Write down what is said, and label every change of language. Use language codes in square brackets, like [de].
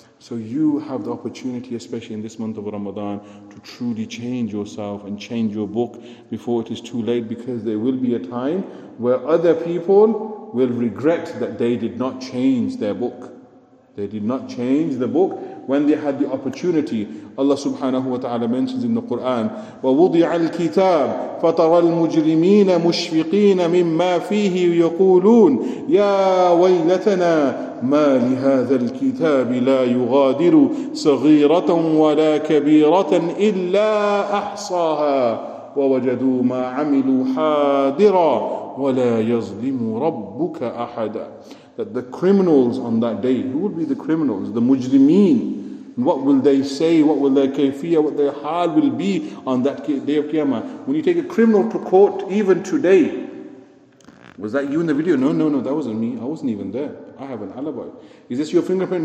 [en] So you have the opportunity, especially in this month of Ramadan, to truly change yourself and change your book before it is too late, because there will be a time where other people will regret that they did not change their book. They did not change the book when they had the opportunity. Allah subhanahu wa ta'ala mentions in the Quran, [ar] وَوُضِعَ الْكِتَابِ فَتَرَى الْمُجْرِمِينَ مُشْفِقِينَ مِمَّا فِيهِ يَقُولُونَ يَا وَيْلَتَنَا مَا لِهَذَا الْكِتَابِ لَا يُغَادِرُ صَغِيرَةً وَلَا كَبِيرَةً إِلَّا أَحْصَاهَا ووجدوا ما عملوا حاضرا ولا يظلم ربك أحدا. [en] That the criminals on that day, who will be the criminals, the mujrimeen, what will they say, what will their kayfiyah, what their hal will be on that day of Qiyamah? When you take a criminal to court, even today, was that you in the video? No, that wasn't me, I wasn't even there, I have an alibi. Is this your fingerprint?